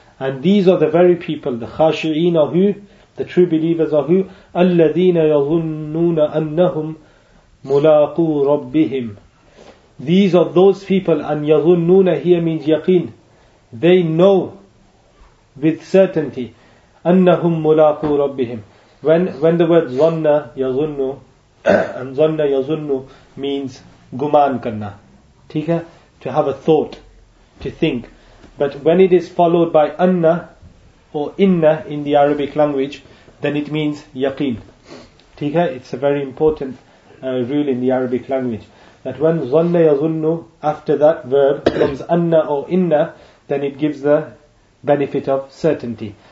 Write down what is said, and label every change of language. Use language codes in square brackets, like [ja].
[en] And these are the very people, the khashi'een are who? The true believers are who? [ar] الَّذِينَ يَظُنُّونَ أَنَّهُمْ مُلَاقُوا رَبِّهِمْ. [en] These are those people, and يَظُنُّونَ here means yaqeen. They know with certainty [ar] أَنَّهُمْ مُلَاقُوا رَبِّهِمْ. [en] When the word ظَنَّ يَظُنُّ and ظَنَّ يَظُنُّ means [ur] گمان کرنا. ٹھیک ہے؟ [en] To have a thought, to think. But when it is followed by anna or inna in the Arabic language, then it means yaqeen. [ur] Theek hai? [en] It's a very important rule in the Arabic language. That when zanna yazunnu, after that verb comes anna or inna, then it gives the benefit of certainty.